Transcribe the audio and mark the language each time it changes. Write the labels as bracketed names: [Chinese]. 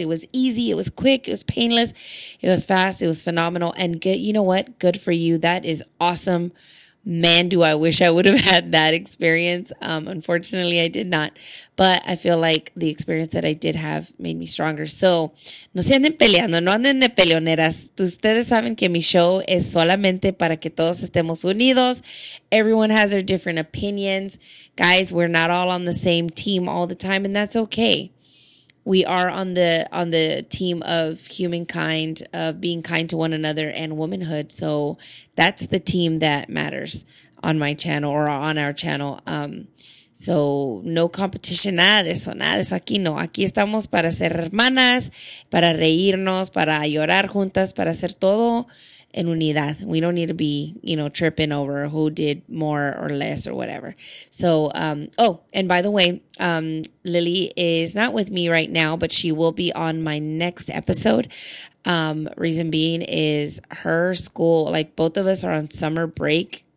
[English] It was easy. It was quick. It was painless. It was fast. It was phenomenal. And good, you know what? Good for you. That is awesome. Man, do I wish I would have had that experience. Unfortunately, I did not. But I feel like the experience that I did have made me stronger. [Spanish] So, no se anden peleando, no anden de peleoneras. Ustedes saben que mi show es solamente para que todos estemos unidos. [English] Everyone has their different opinions. Guys, we're not all on the same team all the time, and that's okay. We are on the team of humankind, of being kind to one another and womanhood. So that's the team that matters on my channel or on our channel. So no competition, [Spanish] nada de eso. Aquí no. Aquí estamos para ser hermanas, para reírnos, para llorar juntas, para hacer todo en unidad. [English] We don't need to be, you know, tripping over who did more or less or whatever. So, and by the way, Lily is not with me right now, but she will be on my next episode. Reason being is her school, like both of us are on summer break